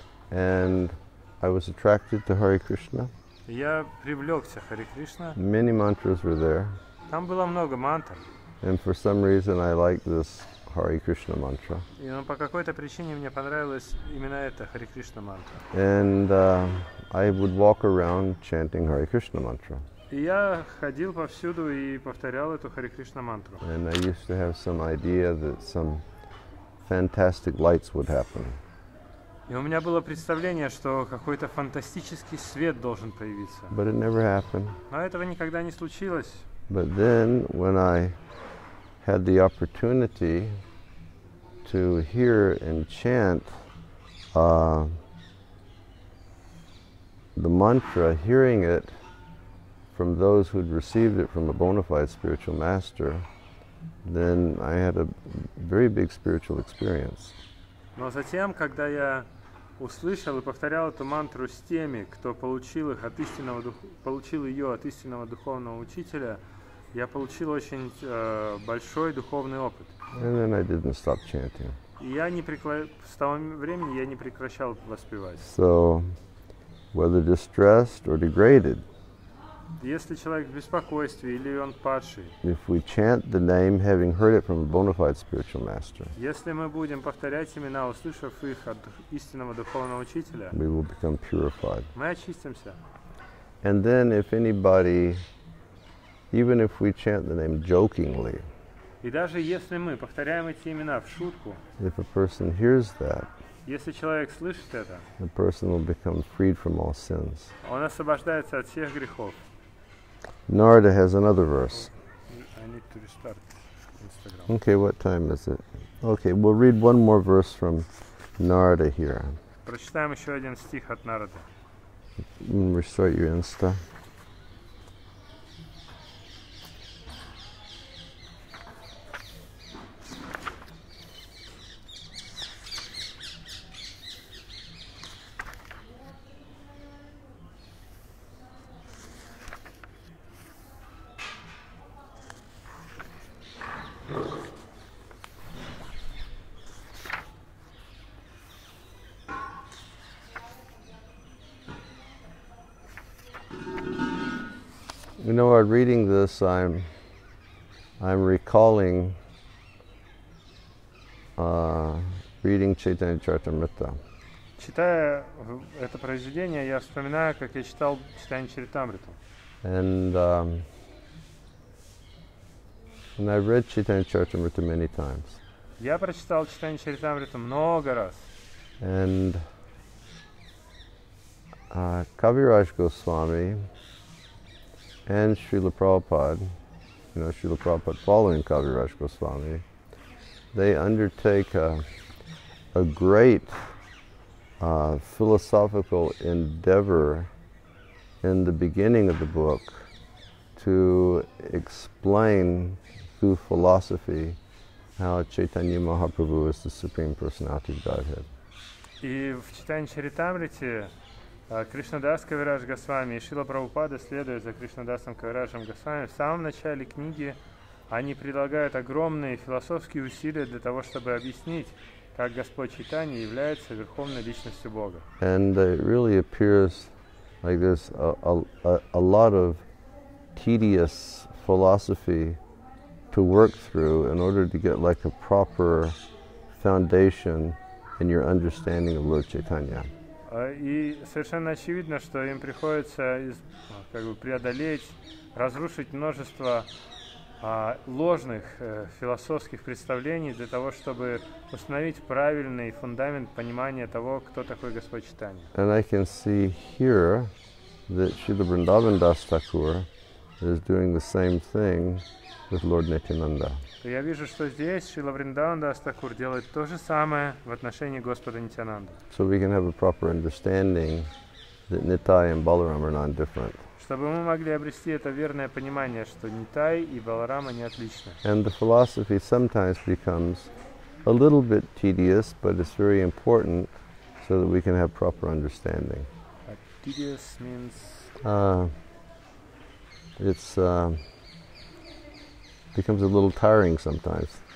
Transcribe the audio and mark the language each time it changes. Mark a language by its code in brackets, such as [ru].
[en] And I was attracted to Hare Krishna. [ru] Я привлекся к Хари Кришне. [en] Many mantras were there. [ru] Там было много мантр. [en] And for some reason I liked this Hare Krishna mantra. [ru] И по какой-то причине мне понравилась именно эта Хари Кришна мантра. [en] And I would walk around chanting Hare Krishna mantra. [ru] И я ходил повсюду и повторял эту Хари Кришна мантру. [en] And I used to have some idea that some fantastic lights would happen. [ru] И у меня было представление, что какой-то фантастический свет должен появиться. [en] But it never happened. [ru] Но этого никогда не случилось. [en] But then, when I had the opportunity to hear and chant the mantra, hearing it from those who'd received it from a bona fide spiritual master, then I had a very big spiritual experience. [ru] Но затем, когда я услышал и повторял эту мантру с теми, кто получил их от истинного получил ее от истинного духовного учителя, я получил очень большой духовный опыт. [en] And then I didn't stop chanting. [ru] И я не с того времени я не прекращал воспевать. [en] So, whether distressed or degraded. [ru] Если человек в беспокойстве или он падший. [en] If we chant the name, having heard it from a bona fide spiritual master. [ru] Если мы будем повторять имена, услышав их от истинного духовного учителя. [en] We will become purified. [ru] Мы очистимся. [en] And then, if anybody, even if we chant the name jokingly. [ru] И даже если мы повторяем эти имена в шутку. [en] If a person hears that. [ru] Если человек слышит это. [en] The person will become freed from all sins. [ru] Он освобождается от всех грехов. [en] Narada has another verse. I need to restart Instagram. Okay, what time is it? Okay, we'll read one more verse from Narada here. [ru] Прочитаем еще один стих от Нарады. [en] Restart your Insta. You know, while reading this, I'm recalling reading Chaitanya Charitamrita. [ru] Читая это произведение, я вспоминаю, как я читал Chaitanya Charitamrita. [en] And I've read Chaitanya Charitamrita many times. [ru] Я прочитал Chaitanya Charitamrita много раз. [en] And Kaviraj Goswami and Srila Prabhupada, you know, Srila Prabhupada following Kaviraj Goswami, they undertake a great philosophical endeavor in the beginning of the book to explain through philosophy how Chaitanya Mahaprabhu is the Supreme Personality of Godhead. [ru] И в Chaitanya Charitamrita Кришнадас Кавираж Госвами и Шрила Прабхупада, следуя за Кришнадасом Кавиражем Госвами, в самом начале книги они прилагают огромные философские усилия для того, чтобы объяснить, как Господь Чайтанья является Верховной Личностью Бога. [en] And it really appears like there's a lot of tedious philosophy to work through in order to get like a proper foundation in your understanding of Lord Chaitanya. [ru] И совершенно очевидно, что им приходится преодолеть, разрушить множество ложных философских представлений для того, чтобы установить правильный фундамент понимания того, кто такой Господь Чайтанья. [en] And I can see here that Srila Vrindavan Das Thakur is doing the same thing with Lord Nityananda. [ru] Я вижу, что здесь Шрила Вриндаван Дас Такур делает то же самое в отношении Господа Нитянанды. [en] So we can have a proper understanding that Nittai and Balarama are non-different. [ru] Чтобы мы могли обрести это верное понимание, что Нитай и Баларама не отличны. [en] And the philosophy sometimes becomes a little bit tedious, but it's very important so that we can have proper understanding. Tedious means it's becomes a little tiring sometimes.